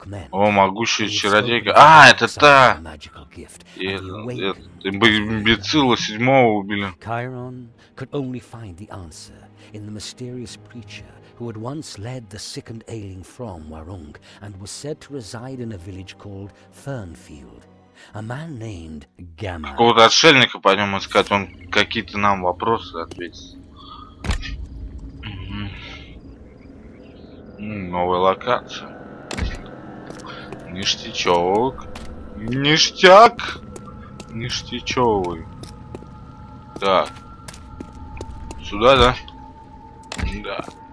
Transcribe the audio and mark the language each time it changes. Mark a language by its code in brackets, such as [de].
[ru] О, могущая чародейка. А, это та! Имбецила седьмого убили. [en] Кайрон could only find the answer in the mysterious preacher who had once led the sick and ailing from Warung and was said to reside in a village called Fernfield. A man named Gamma. [ru] Какого-то отшельника пойдем искать, он какие-то нам вопросы ответит. Новая локация. Ништячок. Ништяк! Ништячовый. Так. Сюда, да? Да.